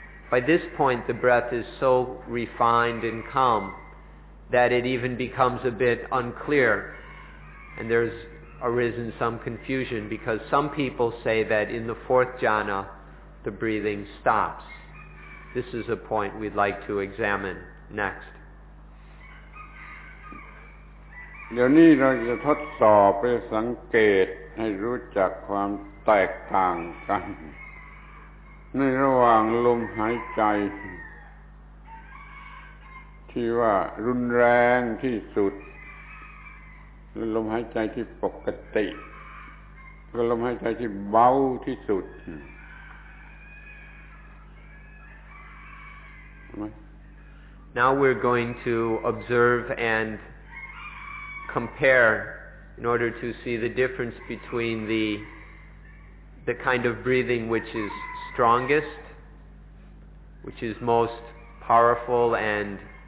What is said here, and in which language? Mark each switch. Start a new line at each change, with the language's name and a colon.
English: By this point, the breath is so refined and calm that it even becomes a bit unclear, and there's arisen some confusion because some people say that in the fourth jhana, the breathing stops. This is a point we'd like to examine next.
Thai: เดี๋ยวนี้เราจะทดสอบไปสังเกตให้รู้จักความแตกต่างกันในระหว่างลมหายใจที่ว่ารุนแรงที่สุดและลมหายใจที่ปกติกับลมหายใจที่เบาที่สุด ใช่ไหม
English: Now we're going to observe and compare in order to see the difference between the kind of breathing which is strongest, which is most powerful and